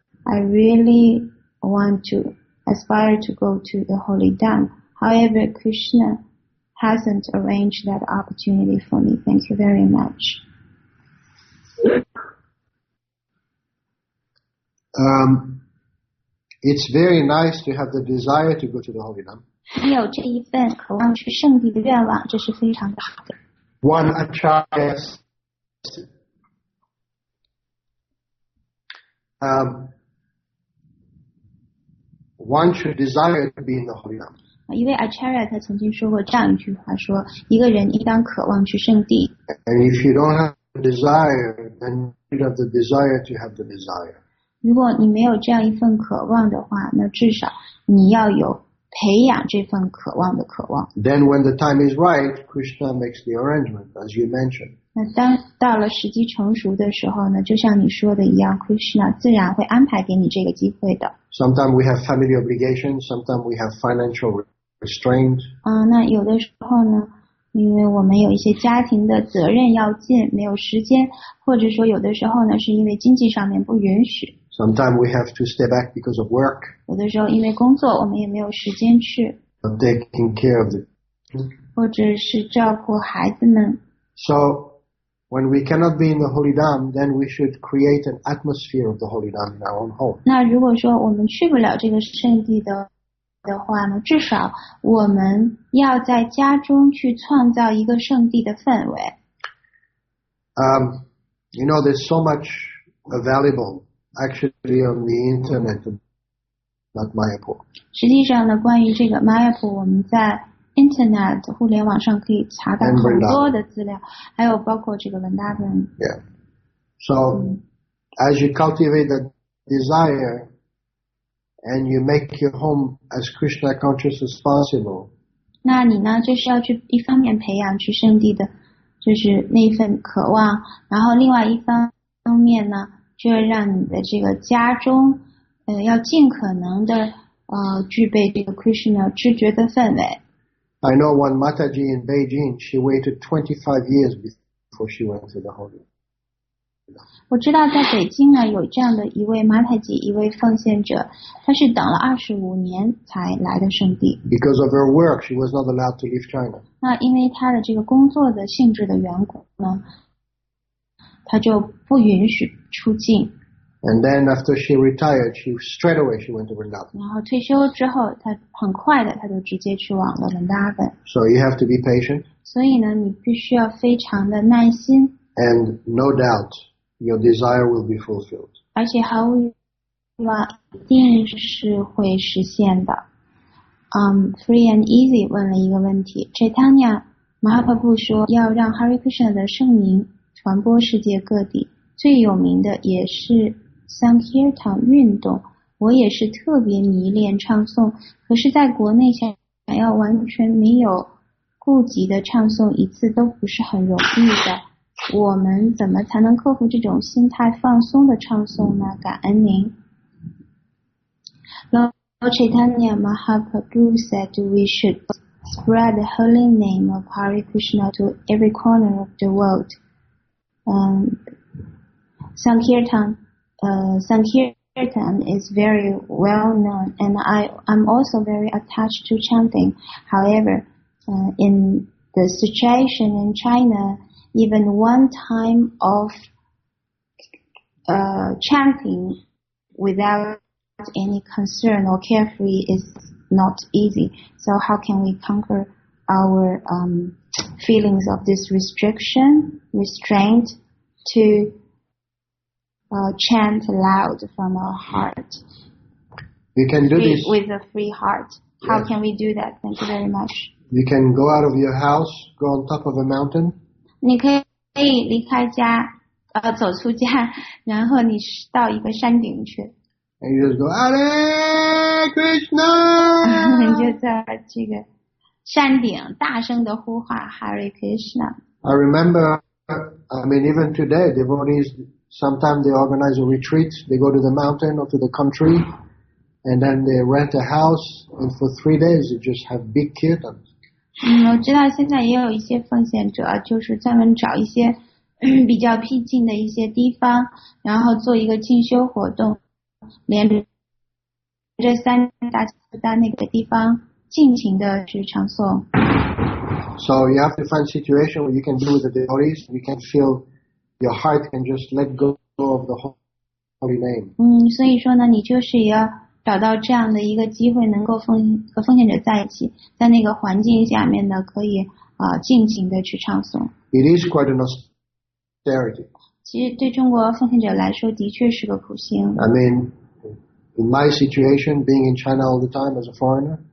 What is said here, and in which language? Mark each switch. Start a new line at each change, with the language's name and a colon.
English: I really. Want to aspire to go to the holy dam. However, Krishna hasn't arranged that opportunity for me. Thank you very much. It's very nice to have the desire to go to the holy dam.
Chinese: 你有这一份渴望去圣地的愿望，这是非常的好的。
English: One acharya One should desire to be in the holy land.
Chinese: 一位 Acharya 他曾经说过这样一句话，说一个人应当渴望去圣地。
English: And if you don't have the desire, then you have the desire to have the desire.
Chinese: 如果你没有这样一份渴望的话，那至少你要有培养这份渴望的渴望。
English: Then when the time is right, Krishna makes the arrangement, as you mentioned.
Chinese: 那当到了时机成熟的时候呢，就像你说的一样， Krishna 自然会安排给你这个机会的。
English: Sometimes we have family obligations, sometimes we have financial restraint.
Chinese: 那有的时候呢，因为我们有一些家庭的责任要尽，没有时间，或者说有的时候呢，是因为经济上面不允许。
English: Sometimes we have to stay back because of work.
Chinese: 有的时候因为工作，我们也没有时间去。
English: Taking care of the
Chinese: children. 或者是照顾孩子们。
English: So, when we cannot be in the Holy Dham, then we should create an atmosphere of the Holy Dham in our own home.
Chinese: 那如果说我们去不了这个圣地的的话呢，至少我们要在家中去创造一个圣地的氛围。
English: You know, there's so much available actually on the internet about Mayapur.
Chinese: 实际上呢，关于这个 Mayapur， 我们在 internet 互联网上可以查到很多的资料，还有包括这个 Vrindavan。
English: Yeah. So, as you cultivate the desire. And you make your home as Krishna conscious as possible.
Chinese: 那你呢，就是要去一方面培养去圣地的，就是那一份渴望，然后另外一方面呢，就要让你的这个家中，要尽可能的，具备这个 Krishna 知觉的氛围。
English: I know one Mataji in Beijing, she waited 25 years before she went to the Holy Land.
Chinese: 我知道在北京呢有这样的一位马太吉，一位奉献者，他是等了25年才来的圣地。
English: Because of her work, she was not allowed to leave China.
Chinese: 那因为他的这个工作的性质的缘故呢，他就不允许出境。
English: And then after she retired, she straight away she went to Vrindavan.
Chinese: 然后退休之后，他很快的他就直接去往了 Vrindavan.
English: So you have to be patient.
Chinese: 所以呢，你必须要非常的耐心。
English: And no doubt. Your desire will be fulfilled.
Chinese: 而且毫无疑问，一定是会实现的。 Free and Easy 问了一个问题 ，Chaitanya Mahaprabhu 说要让 Hare Krishna 的圣名传播世界各地，最有名的也是 Sankirtan 运动。我也是特别迷恋唱诵，可是在国内想要完全没有顾忌的唱诵一次都不是很容易的。我们怎么才能克服这种心态放松的唱诵呢？感恩您。
English: Lord Chaitanya Mahaprabhu said we should spread the holy name of Hare Krishna to every corner of the world. Sankirtan is very well known, and I'm also very attached to chanting. However, in the situation in China,Even one time of chanting without any concern or carefree is not easy. So how can we conquer our feelings of this restraint to chant loud from our heart? We can do this. With a free heart. How can we do that? Thank you very much. You can go out of your house, go on top of a mountain.
Chinese: 你可以离开家，走出家，然后你到一个山顶去。
English: And you just go, Hare Krishna!
Chinese: 你就在这个山顶大声的呼唤 Hare Krishna.
English: I remember, I mean, even today, devotees, sometimes they organize a retreat. They go to the mountain or to the country, and then they rent a house, and for 3 days, they just have big kirtans.
Chinese: 我知道现在也有一些奉献者，就是专门找一些比较僻静的一些地方，然后做一个进修活动，连着这三大在那个地方尽情的去唱诵。
English: So you have to find a situation where you can do with the devotees, you can feel your heart can just let go of the holy name.
Chinese: 所以说呢，你就是要。找到这样的一个机会能够和奉献者在一起在那个环境下面呢可以尽情的去唱诵。
English: It is quite an austerity.
Chinese: 其实对中国奉献者来说的确是个苦行。
English: I mean, in my situation, being in China all the time as a foreigner.